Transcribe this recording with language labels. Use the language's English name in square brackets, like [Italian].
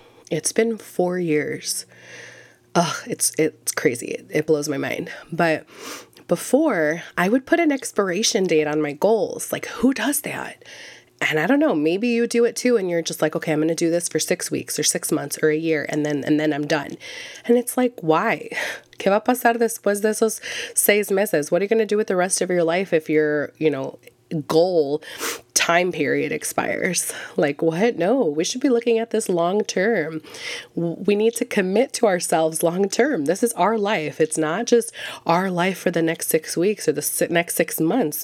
[English] It's been 4 years. Ugh, it's crazy. It blows my mind. But before, I would put an expiration date on my goals. Like, who does that? And I don't know, maybe you do it too. And you're just like, okay, I'm going to do this for 6 weeks or 6 months or a year. And then I'm done. And it's like, why? [Spanish] ¿Qué va a pasar después de esos 6 meses? [English] What are you going to do with the rest of your life if your, you know, goal time period expires? Like, what? No, we should be looking at this long term. We need to commit to ourselves long term. This is our life. It's not just our life for the next 6 weeks or the next 6 months.